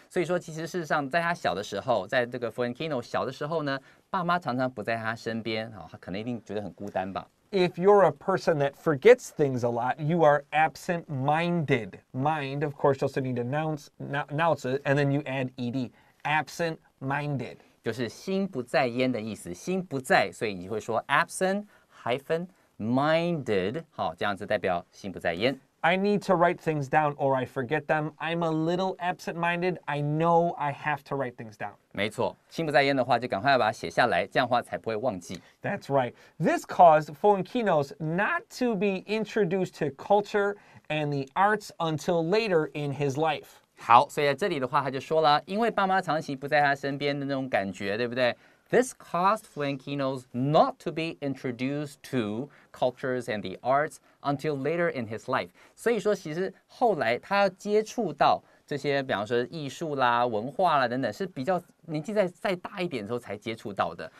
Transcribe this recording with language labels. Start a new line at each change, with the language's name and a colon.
Chinese: 所以说，其实事实上，在他小的时候，在这个 Fonkino 小的时候呢，爸妈常常不在他身边，哦，他可能一定觉得很孤单吧。
English: If you're a person that forgets things a lot, you are absent-minded. Mind, of course, you also need to announce it, and then you add ed, absent-minded.
Chinese: 就是心不在焉的意思，心不在，所以你会说 absent-minded. Minded, 好，这样子代表心不在焉。
English: I need to write things down or I forget them. I'm a little absent-minded. I know I have to write things down.
Chinese: 没错，心不在焉的话就赶快把它写下来，这样的话才不会忘记。
English: That's right. This caused Fonkinos not to be introduced to culture and the arts until later in his life.
Chinese: 好，所以在这里的话，他就说了，因为爸妈长期不在他身边的那种感觉，对不对？
English: This caused Flankinos not to be introduced to cultures and the arts until later in his life.
Chinese: 所以说，其实后来他接触到这些，比方说艺术啦、文化啦等等，是比较年纪再大一点的时候才接触到的。